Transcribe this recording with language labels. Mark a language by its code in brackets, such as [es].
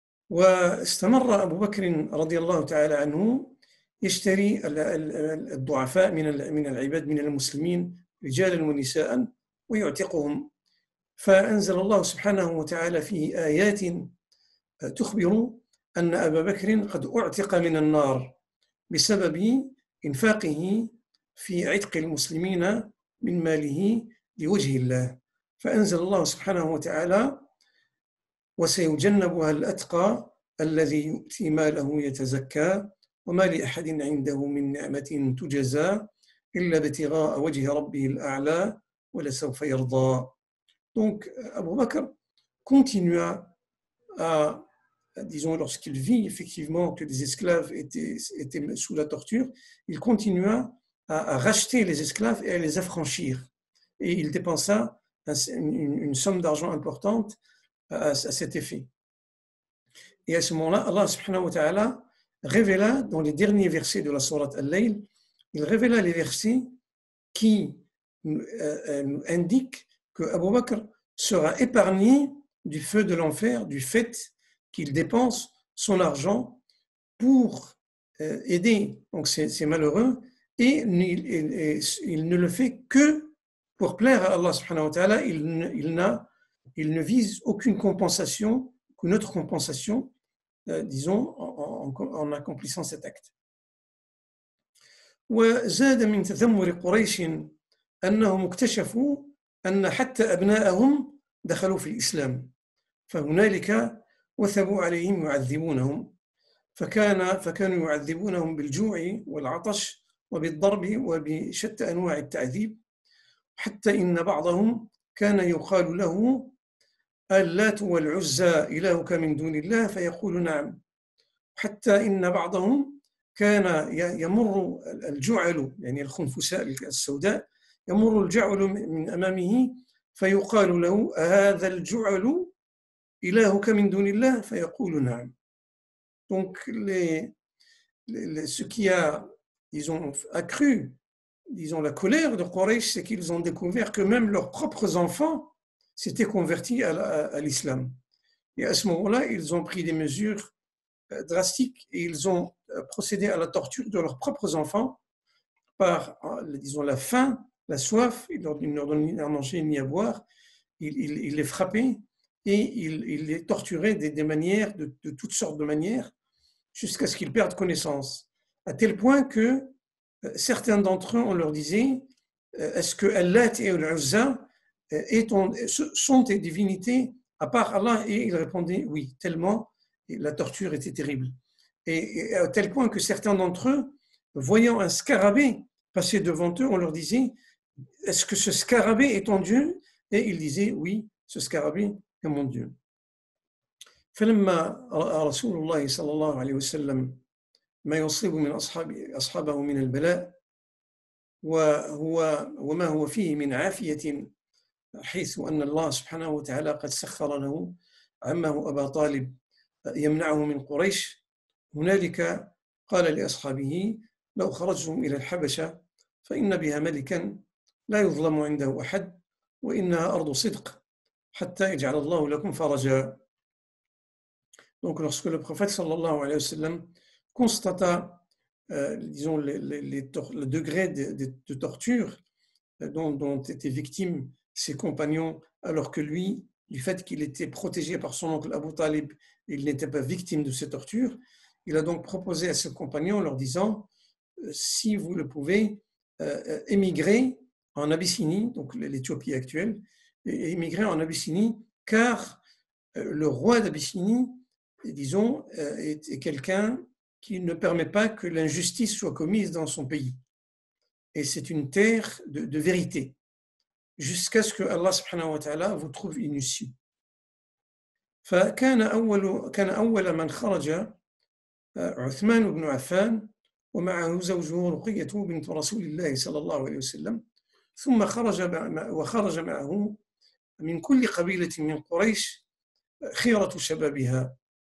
[ar] واستمر أبو بكر رضي الله تعالى عنه يشتري الضعفاء من العباد من المسلمين رجالا ونساء ويعتقهم، فأنزل الله سبحانه وتعالى فيه آيات تخبر أن أبا بكر قد أعتق من النار بسبب إنفاقه في عتق المسلمين من ماله لوجه الله، فأنزل الله سبحانه وتعالى: وسيجنبها الأتقى الذي يؤتي ماله يتزكى وما لأحد عنده من نعمة تجزى إلا ابتغاء وجه ربه الأعلى ولسوف يرضى. [fr] Donc Abu Bakr continua à, disons, lorsqu'il vit effectivement que des esclaves étaient sous la torture, il continua à racheter les esclaves et à les affranchir, et il dépensa une somme d'argent importante à cet effet. Et à ce moment-là, Allah [ar] subhanahu wa ta'ala [fr] révéla dans les derniers versets de la sourate Al-Layl, il révéla les versets qui nous indiquent que Abu Bakr sera épargné du feu de l'enfer du fait qu'il dépense son argent pour aider donc ces malheureux, et il ne le fait que pour plaire à Allah [ar] subhanahu wa ta'ala, [fr] il ne vise aucune compensation qu'une autre compensation, disons, en accomplissant cet acte. [ar] وزاد من تذمر قريش أنهم اكتشفوا أن حتى أبناءهم دخلوا في الإسلام فهنالك وثبوا عليهم يعذبونهم فكانوا يعذبونهم بالجوع والعطش وبالضرب وبشتى أنواع التعذيب حتى إن بعضهم كان يقال له اللات والعزى إلهك من دون الله فيقول نعم حتى إن بعضهم كان يمر الجعل يعني الخنفساء السوداء يمر الجعل من أمامه فيقال له هذا الجعل إلهك من دون الله فيقول نعم. [fr] Donc ce qui a accru la colère de Quraysh, c'est qu'ils ont découvert que même leurs propres enfants s'étaient convertis à l'islam. Et à ce moment-là, ils ont pris des mesures drastiques et ils ont procédé à la torture de leurs propres enfants par, la faim, la soif. Ils ne leur donnaient ni à manger ni à boire. Ils les frappaient et ils les torturaient des manières, de toutes sortes de manières, jusqu'à ce qu'ils perdent connaissance. À tel point que certains d'entre eux, on leur disait, est-ce que Al-Lat et Al-Uzza sont des divinités à part Allah? Et ils répondaient oui, tellement la torture était terrible. Et à tel point que certains d'entre eux, voyant un scarabée passer devant eux, on leur disait, est-ce que ce scarabée est ton Dieu? Et ils disaient oui, ce scarabée est mon Dieu. [ar] فلما رسول الله صلى الله عليه وسلم ما يصيب من أصحابه من البلاء وما هو فيه من عافية حيث أن الله سبحانه وتعالى قد سخر له عمه أبا طالب يمنعه من قريش هنالك قال لأصحابه لو خرجتم إلى الحبشة فإن بها ملكا لا يظلم عنده أحد وإنها أرض صدق حتى يجعل الله لكم فرجا. [fr] Donc lorsque le prophète [ar] sallallahu alayhi wa sallam [fr] constata le degré de torture dont étaient victimes ses compagnons, alors que lui, du fait qu'il était protégé par son oncle Abu Talib, il n'était pas victime de ces tortures. Il a donc proposé à ses compagnons, leur disant, si vous le pouvez, émigrez en Abyssinie, donc l'Éthiopie actuelle, et émigrez en Abyssinie, car le roi d'Abyssinie, est quelqu'un qui ne permet pas que l'injustice soit commise dans son pays. Et c'est une terre de vérité, jusqu'à ce que Allah [ar] subhanahu wa ta'ala [fr] vous trouve inutile. [ar] فكان أول من خرج عثمان بن عفان ومعه زوجه رقية بنت رسول الله صلى الله عليه وسلم ثم خرج معه من كل قبيلة من قريش خيرة شبابها